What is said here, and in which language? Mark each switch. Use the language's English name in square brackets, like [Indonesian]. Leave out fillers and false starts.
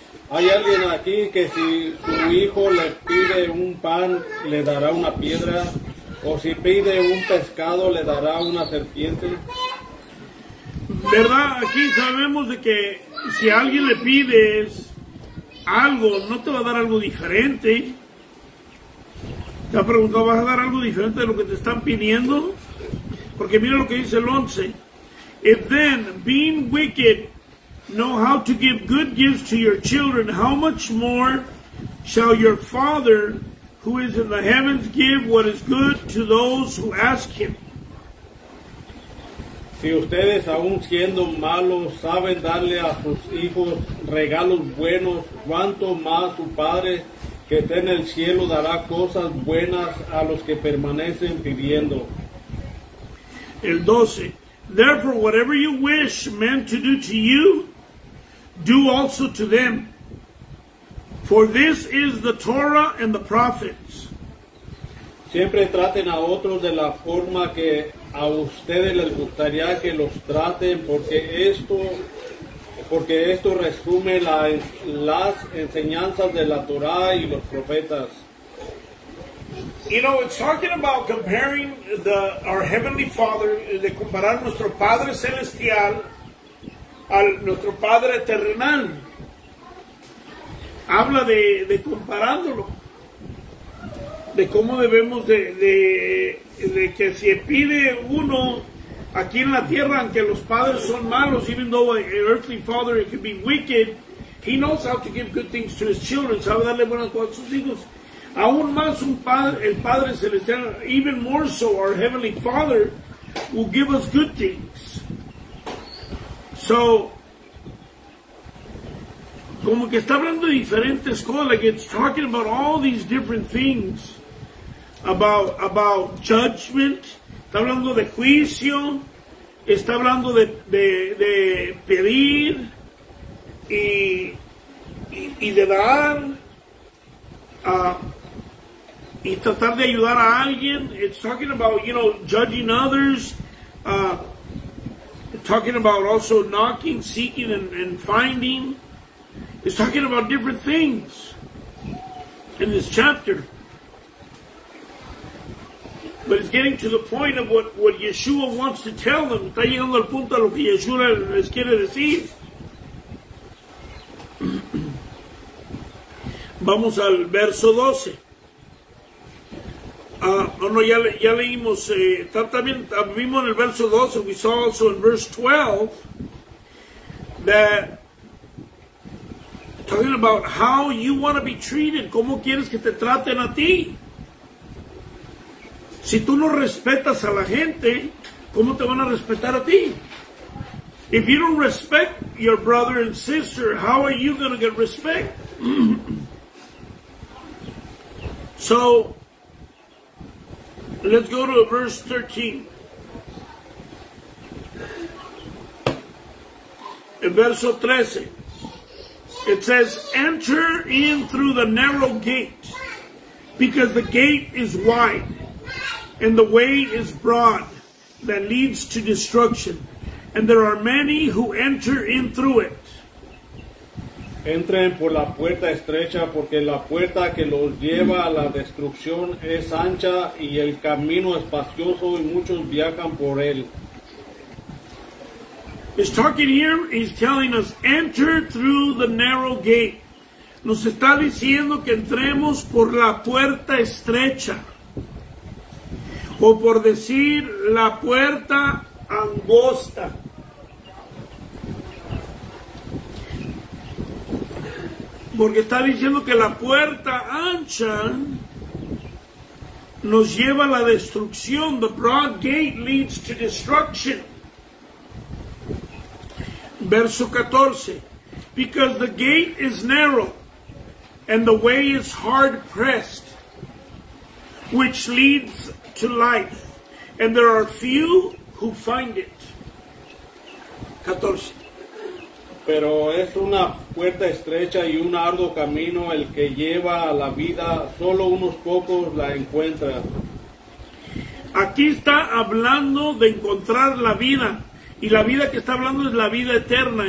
[Spanish] Hay alguien aquí que si su hijo le pide un pan, le dará una piedra, o si pide un pescado, le dará una serpiente. Verdad, aquí sabemos de que si alguien le pides algo, no te va a dar algo diferente. Te ha preguntado, ¿vas a dar algo diferente de lo que te están pidiendo? Porque mira lo que dice el 11. [English] If then, being wicked, know how to give good gifts to your children, how much more shall your Father, who is in the heavens, give what is good to those who ask him? [Spanish] Si ustedes, aun siendo malos, saben darle a sus hijos regalos buenos, ¿cuánto más su Padre, que está en el cielo, dará cosas buenas a los que permanecen pidiendo? El 12. [English] Therefore, whatever you wish men to do to you, do also to them. For this is the Torah and the prophets. [Spanish] Siempre traten a otros de la forma que a ustedes les gustaría que los traten, porque esto resume las enseñanzas de la Torah y los profetas. [English] You know, it's talking about comparing our Heavenly Father, [Spanish] de comparar nuestro Padre Celestial al nuestro Padre Terrenal. Habla de comparándolo, de cómo debemos de que si pide uno aquí en la tierra, aunque los padres son malos, [English] even though an earthly father can be wicked, He knows how to give good things to his children. [Spanish] Sabe darle buenas cosas a sus hijos. Aún más un padre, el Padre Celestial, [English] even more so, our Heavenly Father, will give us good things. [Spanish] So, como que está hablando de diferentes cosas, [English] like it's talking about all these different things, about judgment, [Spanish] está hablando de juicio, está hablando de pedir, y de dar, y tratar de ayudar a alguien. [English] It's talking about, you know, judging others, talking about also knocking, seeking, and finding. It's talking about different things in this chapter. But it's getting to the point of what Yeshua wants to tell them. [Spanish] Está llegando al punto de lo que Yeshua les quiere decir. Vamos al verso 12. Ya leímos, también vimos en el verso 12, [English] we saw also in verse 12, that talking about how you want to be treated, [Spanish] cómo quieres que te traten a ti. Si tú no respetas a la gente, ¿cómo te van a respetar a ti? [English] If you don't respect your brother and sister, how are you going to get respect? So, let's go to verse 13. In verso 13, it says, enter in through the narrow gate, because the gate is wide, and the way is broad that leads to destruction, and there are many who enter in through it. [Spanish] Entren por la puerta estrecha, porque la puerta que los lleva a la destrucción es ancha y el camino espacioso, y muchos viajan por él. [English] He's talking here, he's telling us, enter through the narrow gate. [Spanish] Nos está diciendo que entremos por la puerta estrecha, o por decir, la puerta angosta. Porque está diciendo que la puerta ancha nos lleva a la destrucción. [English] The broad gate leads to destruction. [Spanish] Verso 14. [English] Because the gate is narrow and the way is hard pressed, which leads to life, and there are few who find it. [Spanish] 14. Pero es una puerta estrecha y un arduo camino el que lleva a la vida. Solo unos pocos la encuentran. Aquí está hablando de encontrar la vida. Y la vida que está hablando es la vida eterna.